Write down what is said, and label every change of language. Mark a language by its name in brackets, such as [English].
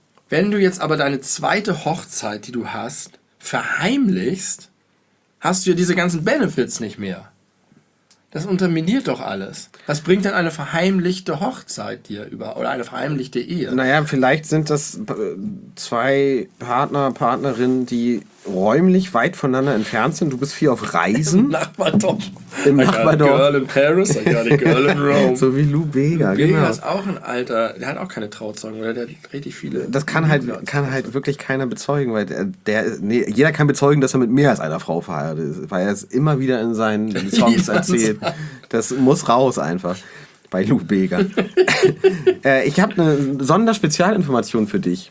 [German] Wenn du jetzt aber deine zweite Hochzeit, die du hast, verheimlichst, hast du ja diese ganzen Benefits nicht mehr. Das unterminiert doch alles. Was bringt denn eine verheimlichte Hochzeit dir über oder eine verheimlichte Ehe? Naja, vielleicht sind das zwei Partner, Partnerinnen, die räumlich weit voneinander entfernt sind. Du bist viel auf Reisen. Im Nachbardorf. Im Nachbardorf. [English] I got a girl in Paris, I got a girl in Rome. [German] So wie Lou Bega, genau. Lou Bega ist auch ein Alter, der hat auch keine Trauzeugen, oder der hat richtig viele. Das kann halt wirklich keiner bezeugen, weil jeder kann bezeugen, dass er mit mehr als einer Frau verheiratet ist, weil er es immer wieder in seinen Songs erzählt. Das muss raus einfach. Bei Lou Bega. Ich habe eine Sonderspezialinformation für dich.